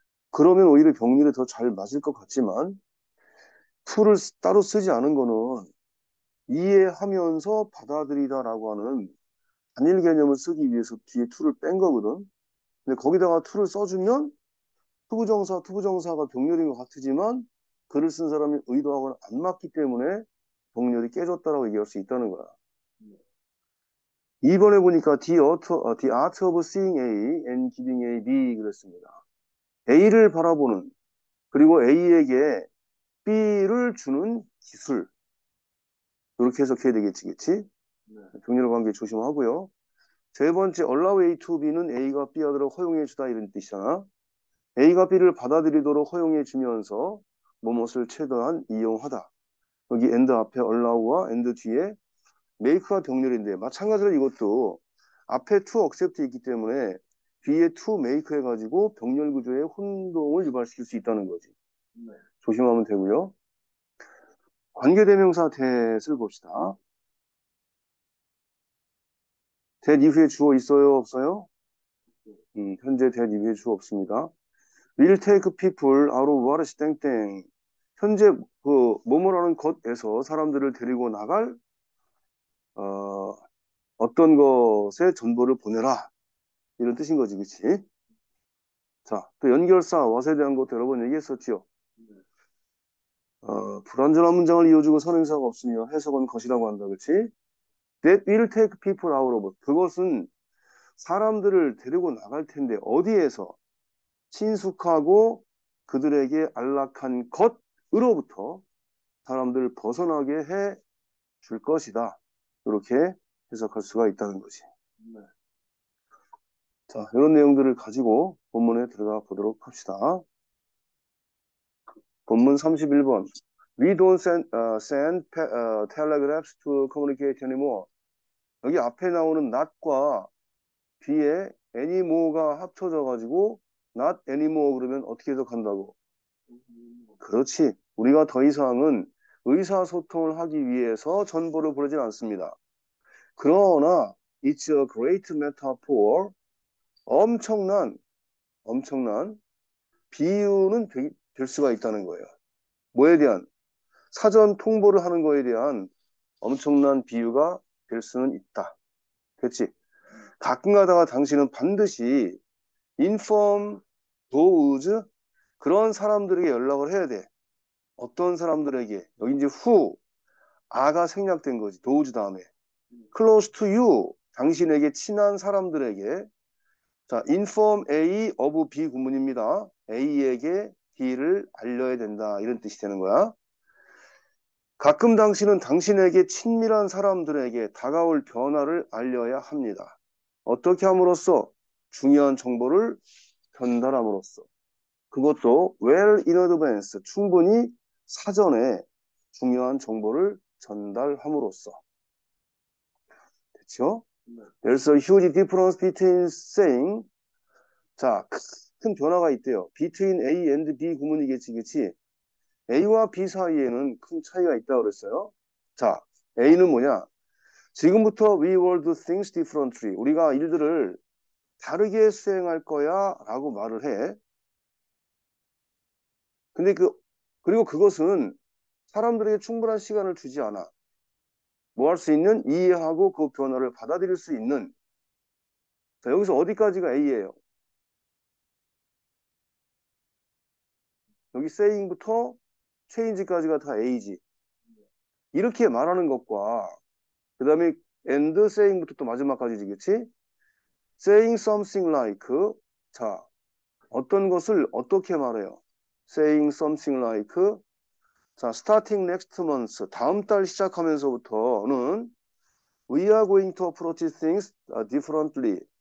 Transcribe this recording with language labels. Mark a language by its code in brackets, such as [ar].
[ko] 그러면 오히려 병렬이 더잘 맞을 것 같지만 to를 따로 쓰지 않은 거는 이해하면서 받아들이다라고 하는 단일 개념을 쓰기 위해서 뒤에 to를 뺀 거거든. 근데 거기다가 to를 써주면 투부정사, 투부정사가 병렬인 것 같지만 글을 쓴 사람이 의도하고는 안 맞기 때문에 병렬이 깨졌다라고 얘기할 수 있다는 거야. 2번에 보니까 [en] the art of seeing A and giving A B [ko] 그랬습니다. A를 바라보는 그리고 A에게 B를 주는 기술 이렇게 해석해야 되겠지, 그렇지? 병렬 관계 조심하고요. 세 번째 [en] allow A to B [ko] 는 A가 B하도록 허용해주다 이런 뜻이잖아. A가 B를 받아들이도록 허용해주면서 무엇을 최대한 이용하다. 여기 end 앞에 allow와 end 뒤에 make가 병렬인데 마찬가지로 이것도 앞에 to accept 있기 때문에 뒤에 to make 해가지고 병렬 구조의 혼동을 유발시킬 수 있다는 거지. 조심하면 되고요. 관계대명사 that을 봅시다. that 이후에 주어 있어요? 없어요? 현재 that 이후에 주어 없습니다. [en] will take people out of what is [ko] 땡땡. 현재 뭐뭐라는 것에서 사람들을 데리고 나갈 어떤 것에 전보를 보내라. 이런 뜻인 거지, 그치? 자, 또 연결사, what에 대한 것도 여러 번 얘기했었지요. 불완전한 문장을 이어주고 선행사가 없으며 해석은 것이라고 한다, 그치? [en] That will take people out of. [ko] 그것은 사람들을 데리고 나갈 텐데 어디에서 친숙하고 그들에게 안락한 것으로부터 사람들을 벗어나게 해줄 것이다. 이렇게 해석할 수가 있다는 거지. 자, 이런 내용들을 가지고 본문에 들어가 보도록 합시다. 본문 31번. [en] We don't send telegraphs to communicate anymore. [ko] 여기 앞에 나오는 not과 뒤에 anymore가 합쳐져 가지고 not anymore 그러면 어떻게 해석한다고? 그렇지. 우리가 더 이상은 의사소통을 하기 위해서 전보를 보내진 않습니다. 그러나 [en] it's a great metaphor. [ko] 엄청난 비유는 될 수가 있다는 거예요. 뭐에 대한? 사전 통보를 하는 거에 대한 엄청난 비유가 될 수는 있다. 그렇지? 가끔 가다가 당신은 반드시 [en] inform those [ko] 그런 사람들에게 연락을 해야 돼. 어떤 사람들에게? 여기 이제 who, 아가 생략된 거지. those 다음에. [en] close to you, [ko] 당신에게 친한 사람들에게. 자, inform A of B 구문입니다. A에게 D를 알려야 된다. 이런 뜻이 되는 거야. 가끔 당신은 당신에게 친밀한 사람들에게 다가올 변화를 알려야 합니다. 어떻게 함으로써 중요한 정보를 전달함으로써 그것도 [en] well in advance [ko] 충분히 사전에 중요한 정보를 전달함으로써 됐죠? [en] There's a huge difference between saying [ko] 자, 큰 변화가 있대요. Between A and B 구문이겠지, 그치? A와 B 사이에는 큰 차이가 있다고 그랬어요. 자, A는 뭐냐? 지금부터 [en] we will do things differently. [ko] 우리가 일들을 다르게 수행할 거야 라고 말을 해. 근데 그리고 그것은 사람들에게 충분한 시간을 주지 않아. 뭐할수 있는? 이해하고 그 변화를 받아들일 수 있는. 자, 여기서 어디까지가 A예요? 여기 saying부터 change까지가 다 A지. 이렇게 말하는 것과 그 다음에 and saying부터 또 마지막까지지, 그치? [en] saying something like [ko] 자, 어떤 것을 어떻게 말해요? [en] saying something like 자, starting next month [ko] 다음 달 시작하면서부터는 [en] we are going to approach things differently.